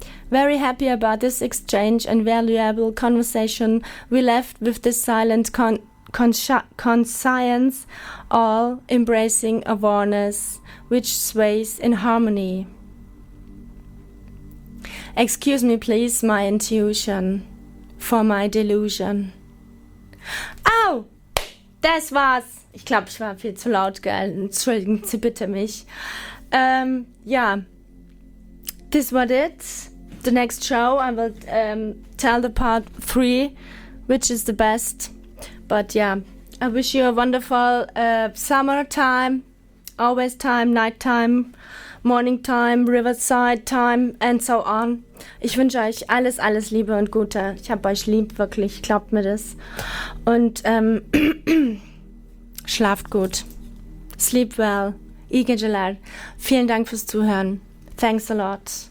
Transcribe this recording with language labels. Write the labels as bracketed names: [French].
[English] Very happy about this exchange and valuable conversation, we left with this silent conscience, all embracing awareness, which sways in harmony. Excuse me, please, my intuition, for my delusion. [German] Au! Das war's! Ich glaube, ich war viel zu laut, gell? Entschuldigen Sie bitte mich. [English] Ja, this was it. The next show, I will tell the part 3, which is the best. But yeah, I wish you a wonderful summer time, always time, night time, morning time, riverside time, and so on. [German] Ich wünsche euch alles, alles Liebe und Gute. Ich hab euch lieb, wirklich, glaubt mir das. Und schlaft gut. [English] Sleep well. [German] Ige Gelar. Vielen Dank fürs Zuhören. [English] Thanks a lot.